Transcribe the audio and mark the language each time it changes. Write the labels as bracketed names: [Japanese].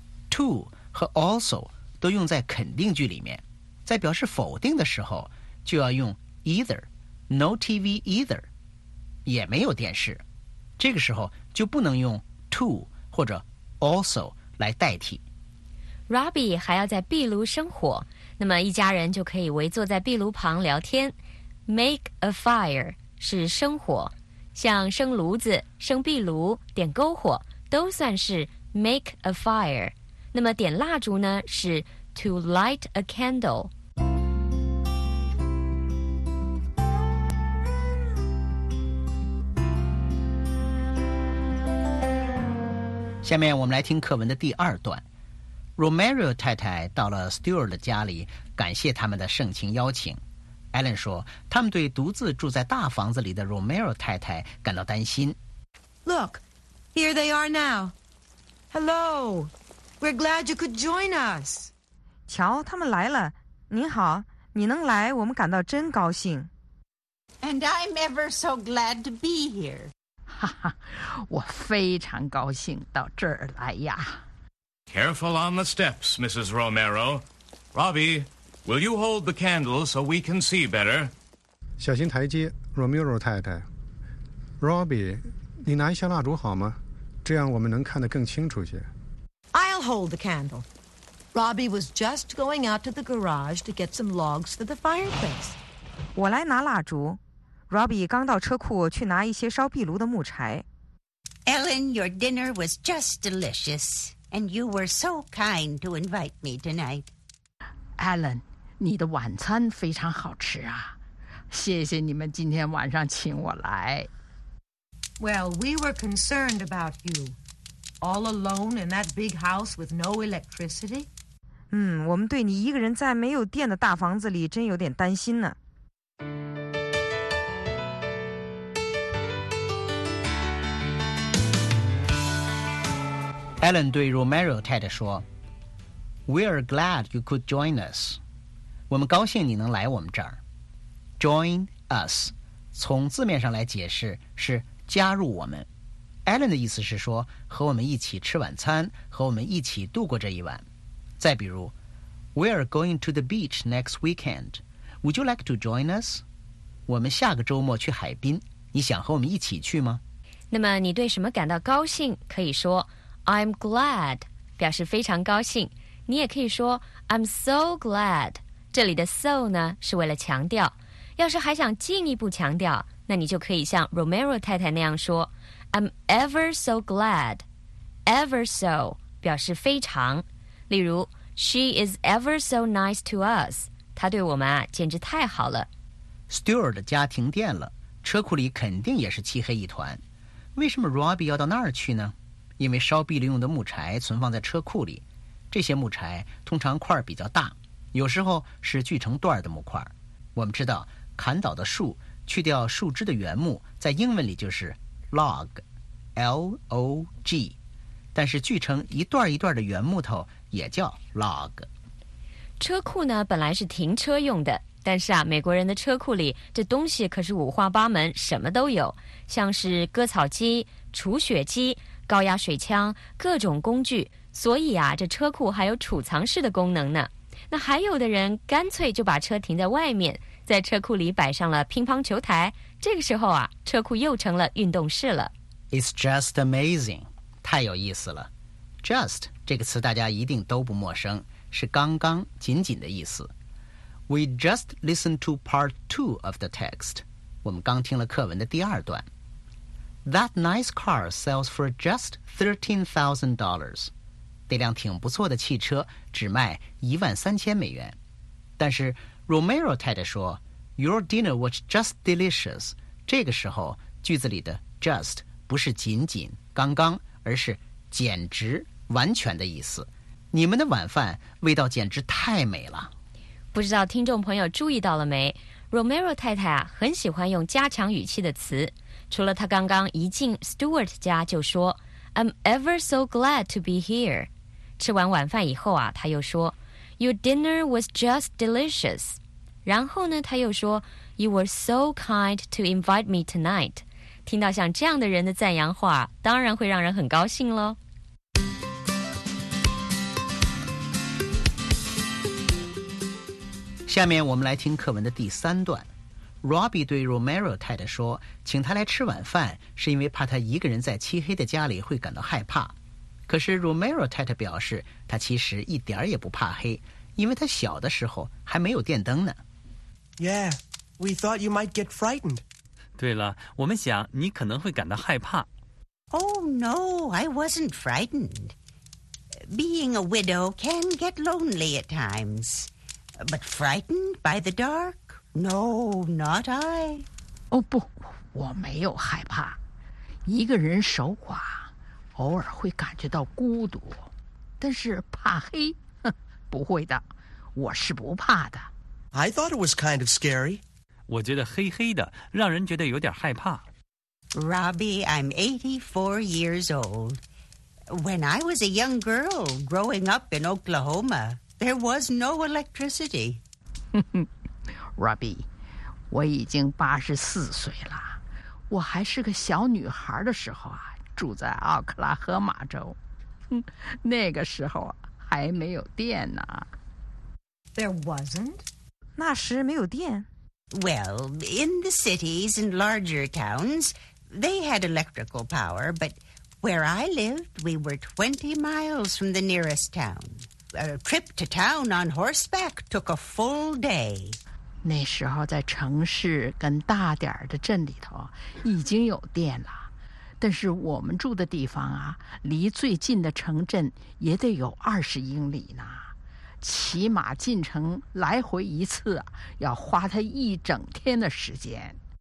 [Chinese] To 和 also 都用在肯定句里面，在表示否定的时候就要用 either, [English] no TV either， [Chinese] 也没有电视，这个时候就不能用 to 或者 also 来代替。 Robbie 还要在壁炉生火，那么一家人就可以围坐在壁炉旁聊天。 [English] Make a fire [Chinese] 是生火，像生炉子、生壁炉、点篝火都算是 [English] make a fire。 [Chinese] 那么点蜡烛呢是 [English] to light a candle。 [Chinese] 下面我们来听课文的第二段。Romero 太太到了 Stewart 家里，感谢他们的盛情邀请。Ellen 说，他们对独自住在大房子里的 Romero 太太感到担心。Look, [English] here they are now. Hello, we're glad you could join us. [Chinese] 瞧，他们来了。您好，你能来，我们感到真高兴。And [English] I'm ever so glad to be here. [Chinese] 哈哈，我非常高兴到这儿来呀。 [English] Careful on the steps, Mrs. Romero. Robbie, will you hold the candle so we can see better? [Chinese] 小心台阶, Romero 太太。 Robbie, 你拿一下蜡烛好吗？这样我们能看得更清楚些。 [English] I'll hold the candle. Robbie was just going out to the garage to get some logs for the fireplace. [Chinese] 我来拿蜡烛。 Robbie 刚到车库去拿一些烧壁炉的木柴。 [English] Ellen, your dinner was just delicious, and you were so kind to invite me tonight. [Chinese] Ellen, 你的晚餐非常好吃啊。谢谢你们今天晚上请我来。 [English] Well, we were concerned about you. All alone in that big house with no electricity? [Chinese] 我们对你一个人在没有电的大房子里真有点担心呢。 Ellen 对 Romero 太太说 [English] We are glad you could join us. [Chinese] 我们高兴你能来我们这儿。 [English] Join us [Chinese] 从字面上来解释是加入我们。 Ellen 的意思是说和我们一起吃晚餐，和我们一起度过这一晚。再比如 [English] We are going to the beach next weekend. Would you like to join us? [Chinese] 我们下个周末去海滨，你想和我们一起去吗？那么你对什么感到高兴可以说 [English] I'm glad, [Chinese] 表示非常高兴。你也可以说 [English] I'm so glad, [Chinese] 这里的 so 呢是为了强调。要是还想进一步强调，那你就可以像 Romero 太太那样说 [English] I'm ever so glad, ever so, [Chinese] 表示非常。例如 [English] She is ever so nice to us, [Chinese] 她对我们简直太好了。 Stuart 的家停电了，车库里肯定也是漆黑一团。为什么 Robbie 要到那儿去呢？因为烧壁炉用的木柴存放在车库里，这些木柴通常块比较大，有时候是锯成段的木块。我们知道砍倒的树去掉树枝的原木在英文里就是 log L-O-G， 但是锯成一段一段的原木头也叫 log。车库呢本来是停车用的，但是啊，美国人的车库里这东西可是五花八门，什么都有，像是割草机、除雪机、高压水枪、各种工具，所以啊，这车库还有储藏室的功能呢。那还有的人干脆就把车停在外面，在车库里摆上了乒乓球台，这个时候啊，车库又成了运动室了。 [English] It's just amazing， [Chinese] 太有意思了。 Just 这个词大家一定都不陌生，是刚刚、仅仅的意思。 [English] We just listened to part two of the text， [Chinese] 我们刚听了课文的第二段。 [English] That nice car sells for just $13,000. [Chinese] 那辆挺不错的汽车只卖$13,000。但是 Romero 太太说 [English] Your dinner was just delicious. [Chinese] 这个时候句子里的 just 不是仅仅、刚刚，而是简直、完全的意思。你们的晚饭味道简直太美了。不知道听众朋友注意到了没？Romero 太太啊，很喜欢用加强语气的词。除了他刚刚一进 Stuart 家就说 [English] I'm ever so glad to be here. [Chinese] 吃完晚饭以后啊，他又说 [English] Your dinner was just delicious. [Chinese] 然后呢，他又说 [English] You were so kind to invite me tonight. [Chinese] 听到像这样的人的赞扬话，当然会让人很高兴咯。下面我们来听课文的第三段。Robbie 对 Romero 太太说请他来吃晚饭是因为怕他一个人在漆黑的家里会感到害怕，可是 Romero 太太表示他其实一点也不怕黑，因为他小的时候还没有电灯呢。 [English] Yeah, we thought you might get frightened. [Chinese] 对了，我们想你可能会感到害怕。 [English] Oh no, I wasn't frightened. Being a widow can get lonely at times, but frightened by the dark? No, not I. [Chinese] 不，我没有害怕。一个人守寡，偶尔会感觉到孤独，但是怕黑，不会的，我是不怕的。 [English] I thought it was kind of scary. [Chinese] 我觉得黑黑的，让人觉得有点害怕。 [English] Robbie, I'm 84 years old. When I was a young girl growing up in Oklahoma, there was no electricity. [Chinese] Robbie, 我已经84岁了。我还是个小女孩的时候啊，住在奥克拉荷马州。那个时候还没有电呢。 [English] There wasn't? [Chinese] 那时没有电。 [English] Well, in the cities and larger towns, They had electrical power, but where I lived, we were 20 miles from the nearest town. A trip to town on horseback took a full day. [Chinese] 那时候在城市跟大点的镇里头已经有电了。但是我们住的地方啊，离最近的城镇也得有20英里呢。骑马进城来回一次要花他一整天的时间。